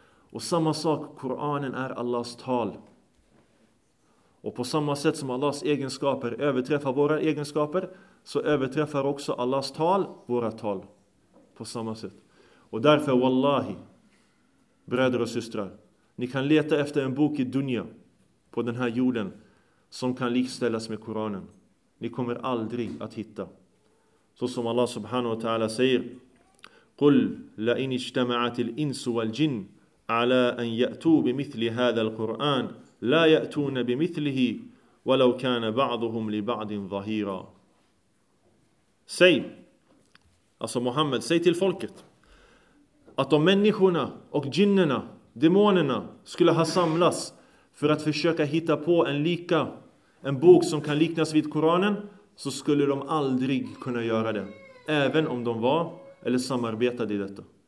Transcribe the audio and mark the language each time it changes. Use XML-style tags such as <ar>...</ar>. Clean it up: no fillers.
<sv>Och samma sak, Koranen är Allahs tal. Och på samma sätt som Allahs egenskaper överträffar våra egenskaper, så överträffar också Allahs tal våra tal. På samma sätt. Och därför, wallahi, bröder och systrar, ni kan leta efter en bok i dunya på den här jorden som kan likställas med Koranen. Ni kommer aldrig att hitta. Så som</sv> <ar>Allah subhanahu wa ta'ala</ar> <sv>säger:</sv> <ar>قُلْ لَئِنْ اجْتَمَعَتِ الْإِنْسُ وَالْجِنْ عَلَىٰ أَنْ يَأْتُوا بِمِثْلِ هَذَا الْقُرْآنِ لَا يَأْتُونَ بِمِثْلِهِ وَلَوْ كَانَ بَعْضُهُمْ لِبَعْدٍ ظَهِيرًا.</ar> <sv>Säg, alltså Muhammad, säg till folket att om människorna och jinnerna, demonerna, skulle ha samlats för att försöka hitta på en bok som kan liknas vid Koranen, så skulle de aldrig kunna göra det, även om de var eller samarbetade i detta.</sv>